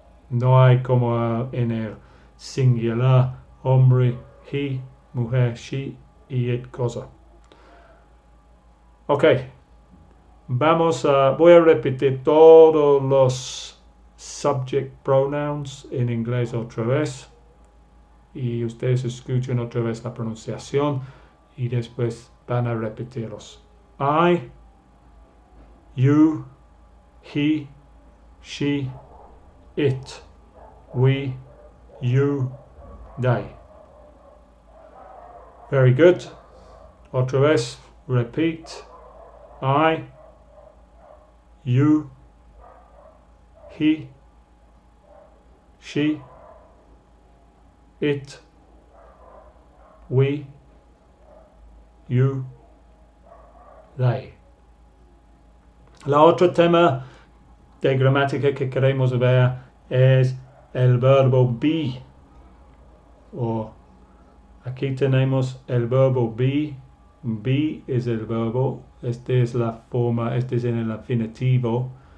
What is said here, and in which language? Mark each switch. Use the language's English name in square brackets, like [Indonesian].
[Spanish] No hay como en el singular, hombre, [English] he, [Spanish] mujer, [English] she, [Spanish] y [English] it, [Spanish] cosa. Ok. Voy a repetir todos los [English] subject pronouns [Spanish] en inglés otra vez. Y ustedes escuchan otra vez la pronunciación y después van a repetirlos. [English] I, you, he, she, it, we, you, they. Very good. [Spanish] Otra vez, [English] repeat. I, you, he, she, it, we, you, they. [Spanish] La otro tema de gramática que queremos ver es el verbo be. O aquí tenemos el verbo be. [English] Be is [Spanish] el verbo. Este es la forma, este es en el infinitivo.